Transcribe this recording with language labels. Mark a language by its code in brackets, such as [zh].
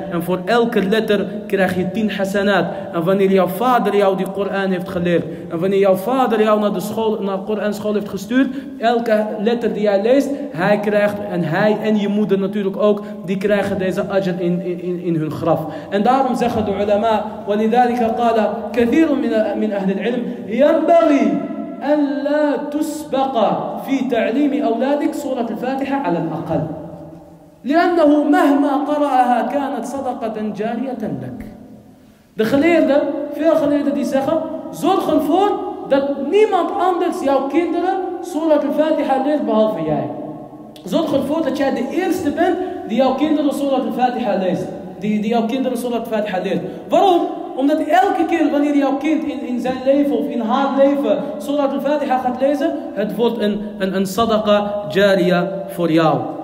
[nl] En voor elke letter krijg je 10 hasanat. En wanneer jouw vader jou die Koran heeft geleerd. En wanneer jouw vader jou naar de school, naar Koran school heeft gestuurd. Elke letter die jij leest, hij krijgt. En hij en je moeder natuurlijk ook. Die krijgen deze ajr in hun graf. En daarom zeggen de ulama. [ar] وَلِذَلِكَ قَالَ كَثِيرٌ مِنْ أَهْلِ الْعِلْمِ يَنْبَغِي أَنْ لَا تُسْبَقَ فِي تَعْلِيمِ أَوْلَادِكَ سُورَةِ الْفَاتِحَةِ عَلَى الْأَقَلِ لأنه مهما قرأها كانت صدقة جارية لك. [nl] De geleerden, veel geleerden die zeggen, zorg ervoor dat niemand anders jouw kinderen Surat al-Fatiha leert behalve jij. Zorg ervoor dat jij de eerste bent die jouw kinderen Surat al-Fatiha leest. Die jouw kinderen Surat al-Fatiha leert. Waarom? Omdat elke keer wanneer jouw kind in zijn leven of in haar leven Surat al-Fatiha gaat lezen, het wordt een sadaqa jariya voor jou.